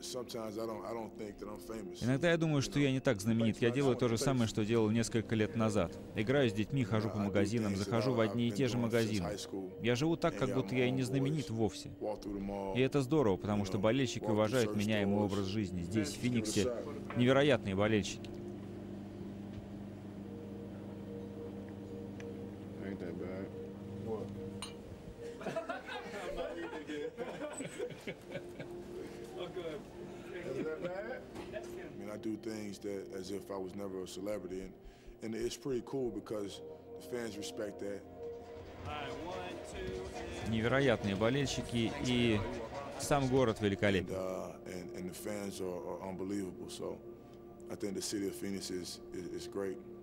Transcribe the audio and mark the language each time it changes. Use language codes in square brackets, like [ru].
[en] Sometimes I don't think that I'm famous. [ru] Иногда я думаю, что я не так знаменит. Я делаю то же самое, что делал несколько лет назад. Играю с детьми, хожу по магазинам, захожу в одни и те же магазины. Я живу так, как будто я и не знаменит вовсе. И это здорово, потому что болельщики уважают меня и мой образ жизни. Здесь, в Фениксе, невероятные болельщики. [en] Do things that as if I was never a celebrity, and it's pretty cool because the fans respect that. [ru] Невероятные болельщики и сам город великолепен. [en] And the fans are unbelievable, so I think the city of Phoenix is great.